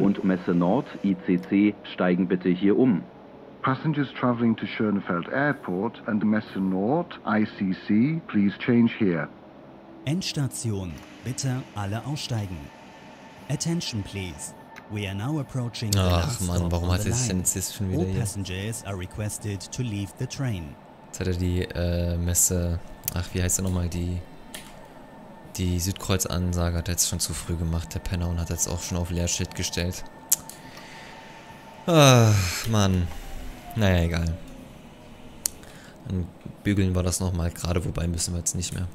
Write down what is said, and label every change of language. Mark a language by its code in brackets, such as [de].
[de] und Messe Nord, ICC, steigen bitte hier um. [en] Passengers traveling to Schönefeld Airport and Messe Nord, ICC, please change here. [de] Endstation. Bitte alle aussteigen. [en] Attention please. We are now approaching the [de] Ach Mann, warum hat es denn jetzt schon wieder [en] hier? All passengers are requested to leave the train. [de] Jetzt hat er die Messe. Ach, wie heißt er nochmal? Die Südkreuz-Ansage hat er jetzt schon zu früh gemacht, der Penner, und hat jetzt auch schon auf Leerschild gestellt. Ach Mann. Naja, egal. Dann bügeln wir das nochmal gerade, wobei müssen wir jetzt nicht mehr.